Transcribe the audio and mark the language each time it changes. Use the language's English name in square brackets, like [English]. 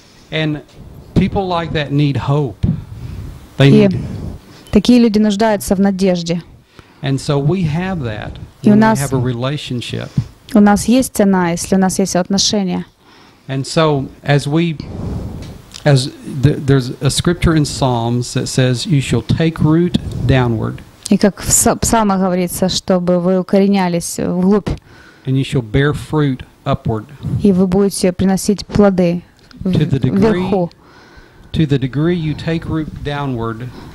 [English] And people like that need hope. They need. [Russian] Такие люди нуждаются в надежде. [English] And so we have that. [Russian] И у нас [English] have a relationship. [Russian] У нас есть она, если у нас есть отношения. [English] And so there's a scripture in Psalms that says you shall take root downward. [Russian] И как в Псалмах говорится, чтобы вы укоренялись вглубь. [English] And you shall bear fruit upward. [Russian] И вы будете приносить плоды вверху. [English] To the degree you take root downward.